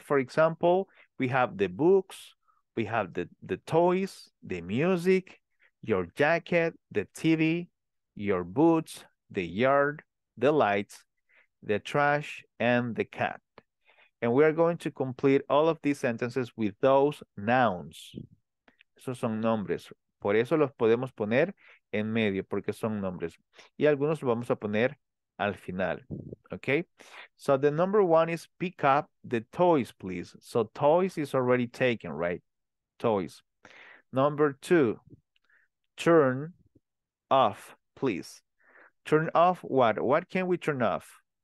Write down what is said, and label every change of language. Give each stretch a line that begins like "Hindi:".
English: For example, we have the books, we have the toys, the music, your jacket, the TV, your boots, the yard, the lights, the trash, and the cat. And we are going to complete all of these sentences with those nouns.
Spanish: Esos son nombres. Por eso los podemos poner en medio, porque son nombres. Y algunos los vamos a poner al final. Okay?
English: So the number one is pick up the toys, please. So toys is already taken, right? Toys. Number two, turn off, please. Turn off what? What can we turn off?